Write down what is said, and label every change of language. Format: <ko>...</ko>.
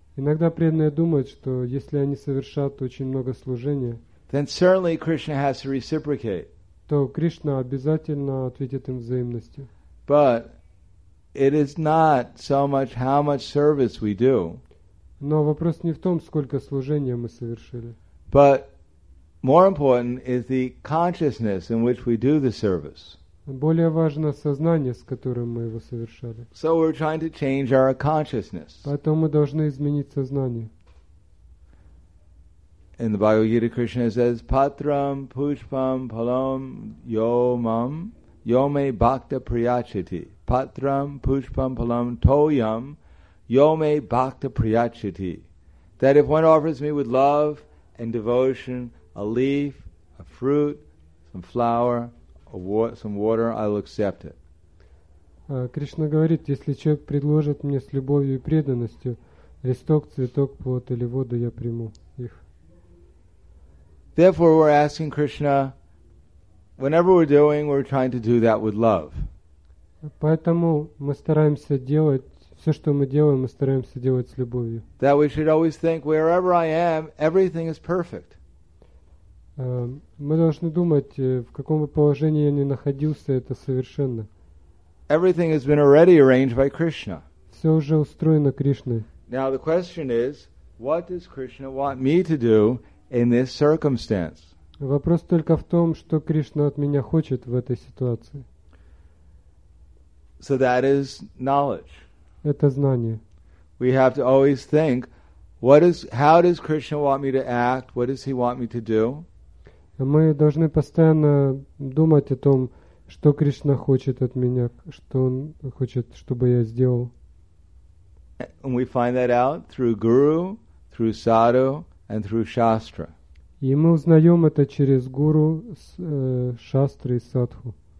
<ru>Иногда преданные думают, что если они совершат очень много служения,</ru> <en>then certainly Krishna has to reciprocate.</en> <ru>То Кришна обязательно ответит им взаимностью.</ru> <en>But it is not so much how much service we do.</en> <ru>Но вопрос не в том, сколько служения мы совершили.</ru> <en>But more important is the consciousness in which we do the service.</en> <ru>Более важно сознание, с которым мы его совершали.</ru> <en>So we're trying to change our consciousness.</en> <ru>Поэтому мы должны изменить сознание.</ru> <en>In the Bhagavad Gita, Krishna says,</en> <sa>"Patram, pushpam, palam, yomam, yome bhakta priyachati patram pushpam palam toyam yome bhakta priyachati.</sa> <en>That if one offers me with love and devotion a leaf, a fruit, some flower, some water, I'll accept it.</en> <ru>Кришна говорит, если человек предложит мне с любовью и преданностью листок, цветок, плод или воду, я приму их.</ru> <en>Therefore, we're asking Krishna, whenever we're doing, we're trying to do that with love.</en> <ru>Поэтому мы стараемся делать все, что мы стараемся делать с любовью.</ru> <en>That we should always think, wherever I am, everything is perfect.</en> <ru>Мы должны думать, в каком бы положении я ни находился, это совершенно.</ru> <en>Everything has been already arranged by Krishna.</en> <ru>Все уже устроено Кришной.</ru> <en>Now the question is, what does Krishna want me to do in this circumstance?</en> <ru>Вопрос только в том, что Кришна от меня хочет в этой ситуации.</ru> <en>So that is knowledge.</en> <ru>Это знание.</ru> <en>We have to always think, how does Krishna want me to act? What does he want me to do?</en> <ru>Мы должны постоянно думать о том, что Кришна хочет от меня, что он хочет, чтобы я сделал.</ru> <en>And we find that out through guru, through sadhu, and through shastra.</en> <ru>И мы узнаем это через гуру, шастры и садху.</ru>